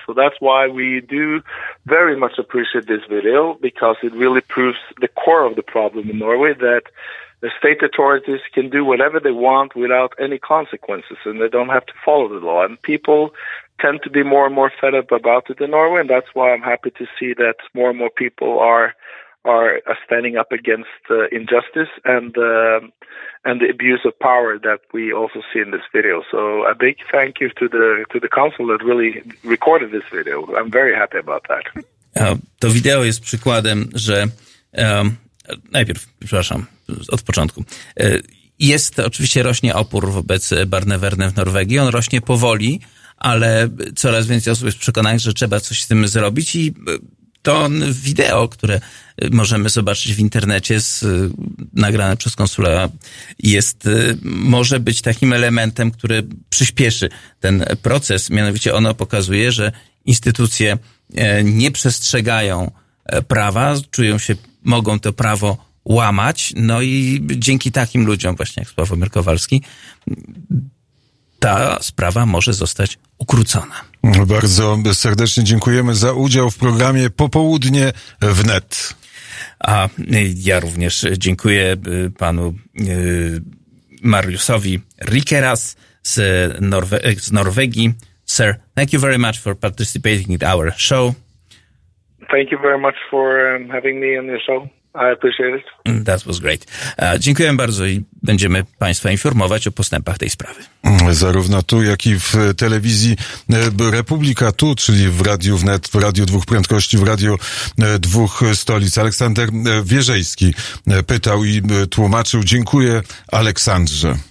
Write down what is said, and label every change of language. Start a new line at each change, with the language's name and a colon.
English: So that's why we do very much appreciate this video, because it really proves the core of the problem in Norway, that the state authorities can do whatever they want without any consequences, and they don't have to follow the law. And people tend to be more and more fed up about it in Norway, and that's why I'm happy to see that more and more people are standing up against injustice and the abuse of power that we also see in this video. So a big thank you to the council that really recorded this video. I'm very happy about that.
Polish: To wideo jest przykładem, że najpierw, przepraszam, od początku. Jest oczywiście rośnie opór wobec Barnevernet w Norwegii. On rośnie powoli, ale coraz więcej osób jest przekonanych, że trzeba coś z tym zrobić, i to wideo, które możemy zobaczyć w internecie, nagrane przez konsula, może być takim elementem, który przyspieszy ten proces. Mianowicie ono pokazuje, że instytucje nie przestrzegają prawa, czują się, mogą to prawo łamać. No i dzięki takim ludziom, właśnie jak Sławomir Kowalski, ta sprawa może zostać ukrócona. Bardzo serdecznie dziękujemy za udział w programie Popołudnie Wnet. A ja również dziękuję panu Mariusowi Rikeras z Norwegii.
English: Sir, thank you very much for participating in our show. Thank you very much for having me on your show. I appreciate it. That was great.
Polish: Dziękuję bardzo i będziemy państwa informować o postępach tej sprawy. Zarówno tu, jak i w telewizji Republika Tu, czyli w Radiu Wnet, w Radiu Dwóch Prędkości, w Radiu Dwóch Stolic. Aleksander Wierzejski pytał i tłumaczył. Dziękuję, Aleksandrze.